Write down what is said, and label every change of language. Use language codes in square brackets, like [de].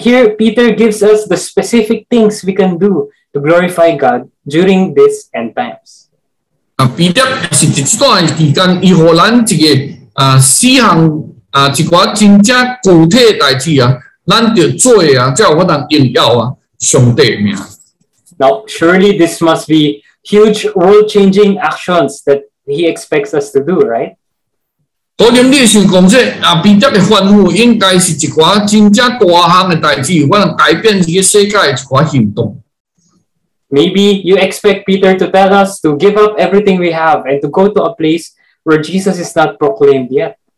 [en] here Peter gives us the specific things we can do to glorify God during this end times. [nan] 啊，彼得是这段时间，伊予咱一个啊四项啊一寡真正具体代志啊。 [en] Now, surely this must be huge world-changing actions that he expects us to do, right? [nan] 可能你想讲说，啊，彼得的吩咐应该是一寡真正大项的代志，我能改变这个世界一寡行动。 [en] Maybe you expect Peter to tell us to give up everything we have and to go to a place where Jesus is not proclaimed yet.